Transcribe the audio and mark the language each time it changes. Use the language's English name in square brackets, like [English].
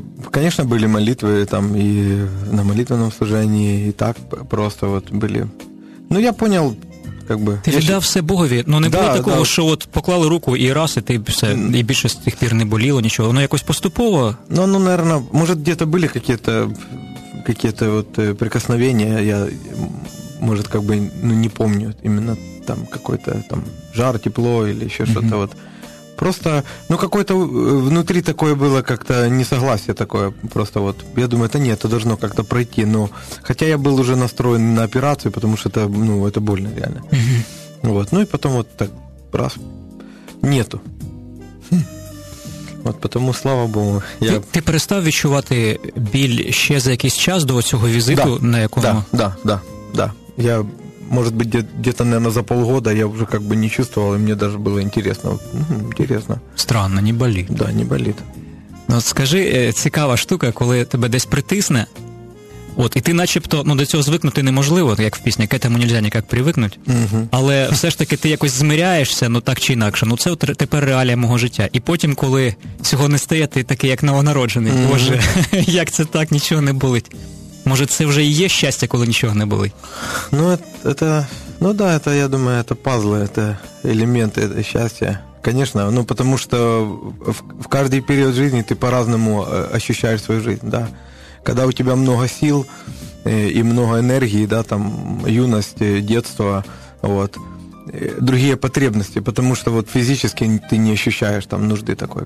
[Russian] Конечно, были молитвы там и на молитвенном служении, и так просто вот были. Ну, я понял, как бы... [Ukrainian] Ты віддав все Богові, но не було такого, що от поклали руку, і раз, і ти все, і більше з тих пір не боліло, нічого. Воно якось поступово? [Russian] Ну, наверное, может, где-то были какие-то вот прикосновения, я, может, как бы, ну, не помню, именно там какой-то там жар, тепло или еще что-то вот. Просто, ну, какое-то внутри такое было как-то несогласие такое. Просто вот, я думаю, это нет, это должно как-то пройти. Но, хотя я был уже настроен на операцию, потому что это, ну, это больно реально. Вот, ну и потом вот так, раз, нету. Вот, потому, слава Богу, я... [Ukrainian] Ты перестав відчувати біль ще за якийсь час до цього візиту, [Russian] да, [Ukrainian] на якому... [Russian] Да. Я... Может быть, где-то, наверное, за полгода я уже как бы не чувствовал, и мне даже было интересно. Интересно. Странно, не болит. Да, не болит. [Ukrainian] Ну, от скажи, цікава штука, коли тебе десь притисне, от, і ти начебто, ну, до цього звикнути неможливо, як в пісні, [Russian] к этому нельзя никак привикнуть, [Ukrainian] але все ж таки ти якось змиряєшся, ну, так чи інакше, ну, це от тепер реалія мого життя. І потім, коли цього не стає, ти такий, як новонароджений, боже, як це так, нічого не болить. Може, це вже і є щастя, коли нічого не болить? Ну, це, ну, да, це, я думаю, це пазли, це елементи щастя. [Russian] Конечно, ну, потому что в каждый период жизни ты по-разному ощущаешь свою жизнь, да. Когда у тебя много сил и много энергии, да, там, юность, детство, вот, другие потребности, потому что вот физически ты не ощущаешь там нужды такой.